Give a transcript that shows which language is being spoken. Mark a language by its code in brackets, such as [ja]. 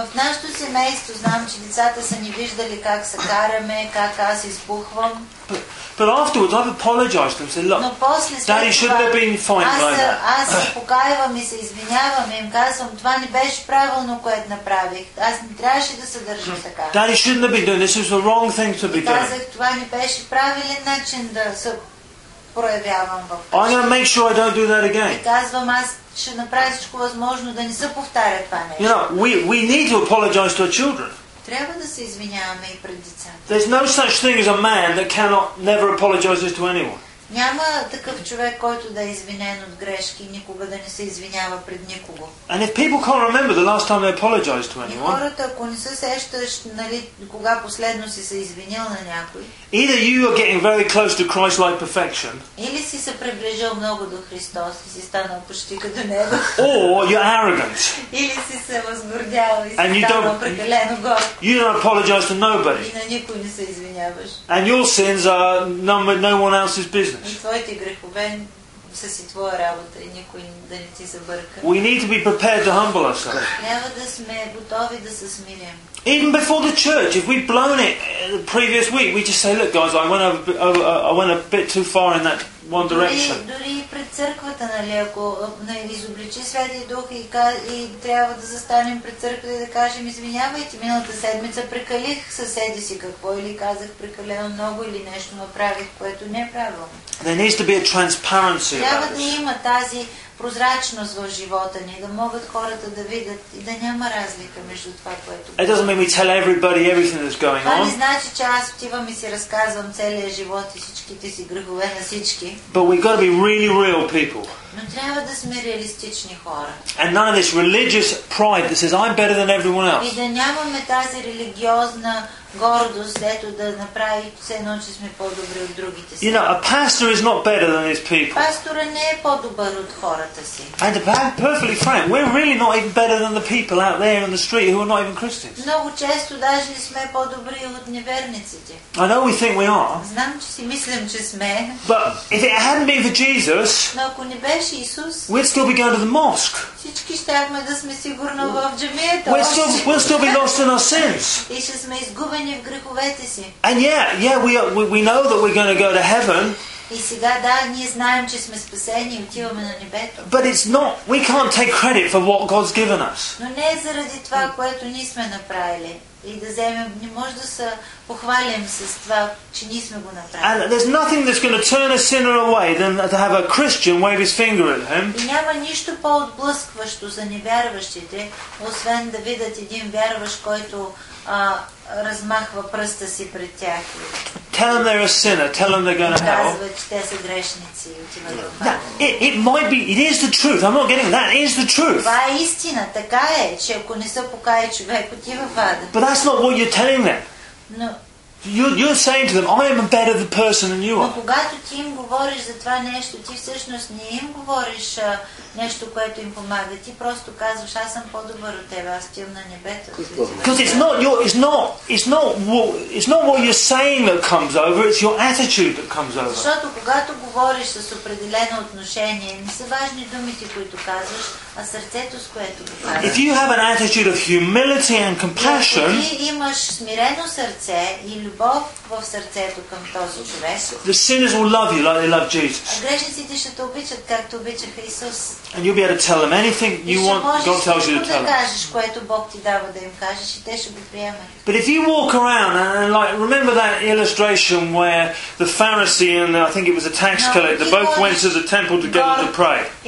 [bg] В нашето семейство знам, че децата са ни виждали как се караме, как аз избухвам. [en] But afterwards, I've apologized and said, "Look, Daddy shouldn't have been fine like that." [bg] Аз се покаявам и се извинявам, им казвам, това не беше правилно, което направих. Аз не трябваше да се държа така. [en] Daddy shouldn't have been doing this. This was the wrong thing to be doing. [bg] Казах, това не беше правилен начин да се проявявам в това. [en] I'm going to make sure I don't do that again. [bg] Казвам, аз ще направя всичко възможно да не се повтаря това нещо. [en] You know, we need to apologize to our children. [bg] Трябва да се извиняваме и пред децата. [en] There's no such thing as a man that cannot never apologize to anyone. [bg] Няма такъв човек, който да е извинен от грешки и никога да не се извинява пред никого. [en] And if people can't remember the last time they apologized to anyone. [bg] Хората, ако не се сещаш, нали, кога последно си се извинил на някой? [en] Either you are getting very close to Christ-like perfection. [bg] Или си се приближил много до Христос и си станал почти като него. [en] Or you're arrogant. [bg] Или си се възгордял и си станал прекалено горд. [en] You don't apologize to nobody. [bg] И на никой не се извиняваш. [en] And your sins are numbered no one else's business. [bg] И твоите грехове са си твоя работа и никой да не ти се бърка. [en] We need to be prepared to humble ourselves. [bg] Трябва да сме готови да се смирим. [en] Even before the church, if we've blown it the previous week, we just say, "Look, guys, I went a bit too far in that one direction." [bg] Дори пред църквата, нали, ако изобличи Светия Дух и трябва да застанем пред църквата и да кажем, извинявайте, миналата седмица прекалих съседи си какво или казах прекалено много или нещо направих, което не е правилно. [en] There needs to be a transparency. [bg] Трябва да има тази прозрачност в живота ни, да могат хората да видят и да няма разлика между това, което. [en] It doesn't mean we tell everybody everything that's going on. [bg] Това не значи, че аз отивам и си разказвам целия живот и всичките си грехове на всички. [en] But we've got to be really real people. [bg] Но трябва да сме реалистични хора. [en] And none of this religious pride that says I'm better than everyone else. [bg] И да нямаме тази религиозна гордост, ето да направи все едно, че сме по-добри от другите си. [en] You know, a pastor is not better than his people. [bg] Пастора не е по-добър от хората си. [en] And to be perfectly frank, we're really not even better than the people out there in the street who are not even Christians. [bg] Много често даже не сме по-добри от неверниците. [en] I know we think we are. [bg] Знам, че си мислим, че сме. [en] But if it hadn't been for Jesus, [bg] но ако не беше Исус, [en] we'd still be going to the mosque. [bg] Всички щяхме да сме сигурно в джамията. [en] We'll still be lost in our sins. [bg] И ще сме изгубени. [en] And yeah, we know that we're going to go to heaven. [bg] И сега да, ние знаем, че сме спасени и отиваме на небето. [en] But it's not, we can't take credit for what God's given us. [bg] Но не е заради това, което ние сме направили. И да вземем, не може да се похвалим с това, че ние сме го направили. [en] And there's nothing that's going to turn a sinner away than to have a Christian wave his finger at him. [bg] И няма нищо по-отблъскващо за невярващите, освен да видят един вярващ, който размахва пръста си пред тях. [en] Tell them they're a sinner. Tell them they're going to hell. It might be. It is the truth. I'm not getting that. It is the truth. [bg] Това е истина. Така е, че ако не се покая човек, отива в ада. [en] But that's not what you're telling them. You're saying to them, I am a better person than you are. [bg] Но когато ти им говориш за това нещо, ти всъщност не им говориш нещо, което им помага. Ти просто казваш, аз съм по-добър от теб, аз ти имам на небето. [en] Because it's not what you're saying that comes over, it's your attitude that comes over. [bg] Защото когато говориш с определено отношение, не са важни думите, които казваш, а сърцето, с което го казваш. [en] If you have an attitude of humility and compassion, [bg] ти имаш смирено сърце и любов в сърцето към този човек. [en] The sinners will love you like they love Jesus. [bg] А грешниците ще те обичат, както обичаха Исус. [en] And you'll be able to tell them anything you want, God tells you to tell them. But if you walk around, and like, remember that illustration where the Pharisee and I think it was a tax collector, they both went to the temple together to pray.